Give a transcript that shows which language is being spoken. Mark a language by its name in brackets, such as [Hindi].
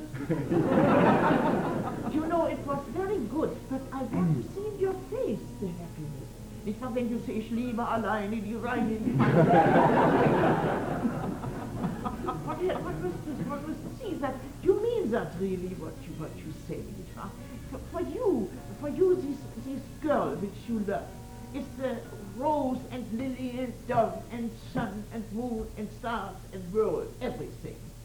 [English] You know, it was very good, but I want to see in your face the happiness. [German] Nicht nur, wenn du sagst, ich liebe alleine die Reine. [English] One must see that you mean that really, what you say. Huh? For you, this girl which you love, is the rose and lily and dove and sun and moon and stars and world, everything.